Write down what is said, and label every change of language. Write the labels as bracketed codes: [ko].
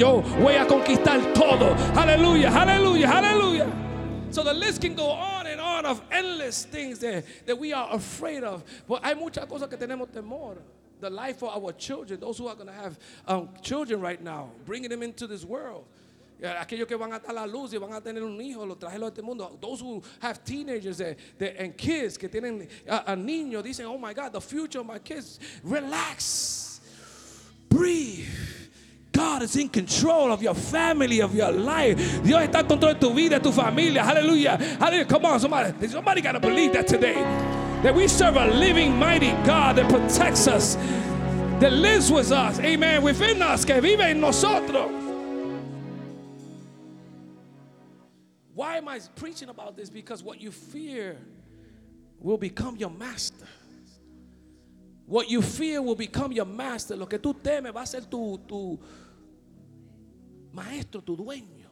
[es] Yo voy a conquistar todo. Hallelujah. Hallelujah. Hallelujah. [en] So the list can go on and on of endless things that we are afraid of. But [es] hay muchas cosas que tenemos temor. [en] The life of our children, those who are going to have children right now, bringing them into this world. [es] Aquellos que van a dar la luz y van a tener un hijo, los trajeron a este mundo. [en] Those who have teenagers and kids [es] que tienen a niño, dicen, [en] oh my God, the future of my kids. Relax. Breathe. God is in control of your family, of your life. [es] Dios está en control de tu vida, tu familia. Hallelujah. Hallelujah. [en] Come on, somebody. Somebody got to believe that today. That we serve a living, mighty God that protects us, that lives with us. Amen. Within us, [es] que vive en nosotros. [en] Why am I preaching about this? Because what you fear will become your master. What you fear will become your master. [es] Lo que tú temes va a ser tu maestro, tu dueño.